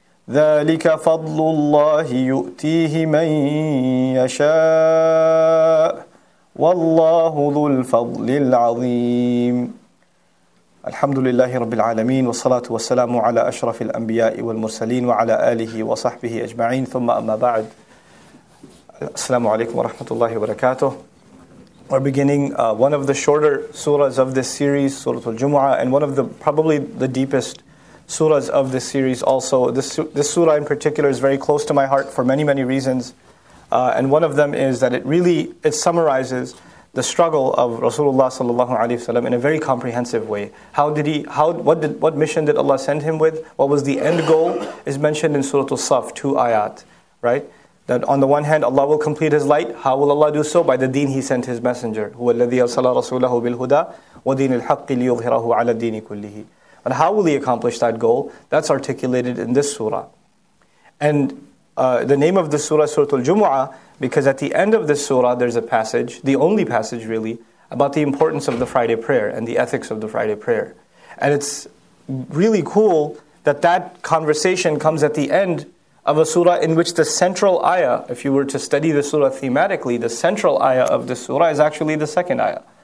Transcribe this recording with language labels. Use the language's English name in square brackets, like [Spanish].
[Arabic] ذلك فضل الله يؤتيه من يشاء والله ذو الفضل العظيم. الحمد لله رب العالمين والصلاة والسلام على أشرف الأنبياء والمرسلين وعلى آله وصحبه أجمعين. ثم أما بعد, السلام عليكم ورحمة الله وبركاته. [English] We're beginning one of the shorter surahs of this series, Surah Al-Jumu'ah, and one of the probably the deepest surahs of this series also. This surah in particular is very close to my heart for many, many reasons. And one of them is that it summarizes the struggle of Rasulullah sallallahu alaihi wasallam in a very comprehensive way. What mission did Allah send him with? What was the end goal? Is mentioned in Surah Al-Saff, two ayat, right? That on the one hand, Allah will complete His light. How will Allah do so? By the deen He sent His messenger. [Arabic] هو الذي أرسل رسوله بالهدى ودين الحق ليظهره على الدين كله. [English] And how will He accomplish that goal? That's articulated in this surah. And the name of the surah, Surah Al-Jumu'ah, because at the end of this surah, there's a passage, the only passage really, about the importance of the Friday prayer and the ethics of the Friday prayer. And it's really cool that conversation comes at the end of a surah in which the central ayah, if you were to study the surah thematically, the central ayah of the surah is actually the second ayah.